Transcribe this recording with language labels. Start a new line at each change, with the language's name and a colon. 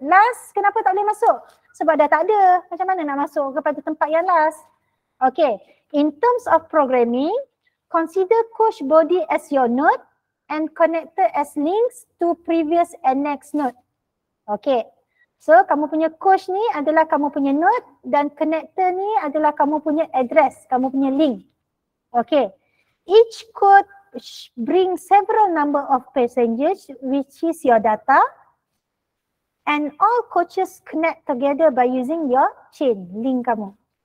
Malay: Last, kenapa tak boleh masuk? Sebab dah tak ada. Macam mana nak masuk kepada tempat yang last? Okay.
English: In terms of programming, consider coach body as your node and connector as links to previous and next node. Okay.
Malay: So, kamu punya coach ni adalah kamu punya node dan connector ni adalah kamu punya address, kamu punya link. Okay.
English: Each code bring several number of passengers which is your data and all coaches connect together by using your chain,
Malay: link kamu.